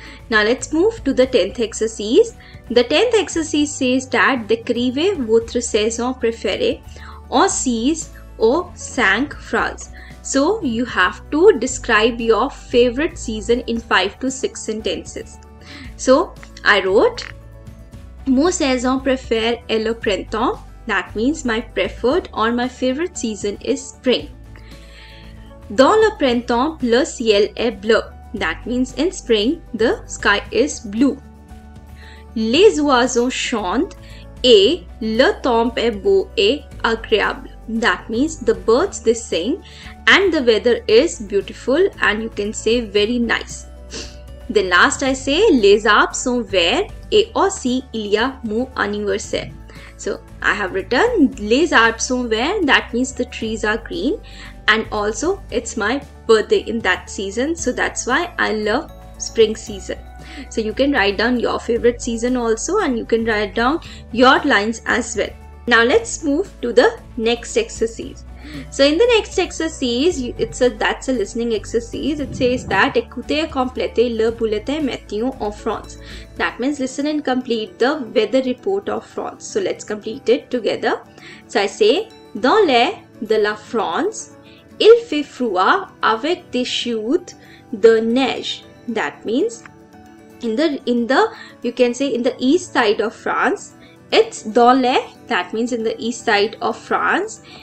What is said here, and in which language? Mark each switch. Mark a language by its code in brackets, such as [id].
[en] Now let's move to the 10th exercise. The 10th exercise says that [fr] décrivez votre saison préférée en 6 or 5 phrases. [en] So, you have to describe your favorite season in 5 to 6 sentences. So, I wrote, [fr] mon saison préfère est le printemps. [en] That means my preferred or my favorite season is spring. [fr] Dans le printemps, le ciel est bleu. [en] That means in spring, the sky is blue. [fr] Les oiseaux chantent et le temps est beau et agréable. [en] That means the birds they sing and the weather is beautiful and you can say very nice. Then last I say [fr] les arbres sont verts et aussi il y a mon anniversaire. [en] So I have written [fr] les arbres sont verts, [en] that means the trees are green and also it's my birthday in that season, so that's why I love spring season. So you can write down your favorite season also and you can write down your lines as well. Now let's move to the next exercise. So in the next exercise, that's a listening exercise. It says that [fr] écoutez et complétez le bulletin météo en France. [en] That means listen and complete the weather report of France. So let's complete it together. So I say, [fr] dans l'air de la France, il fait froid avec des chutes de neige. [en] That means in the east side of France. It's [fr] dans l'air, [en] that means in the east side of France.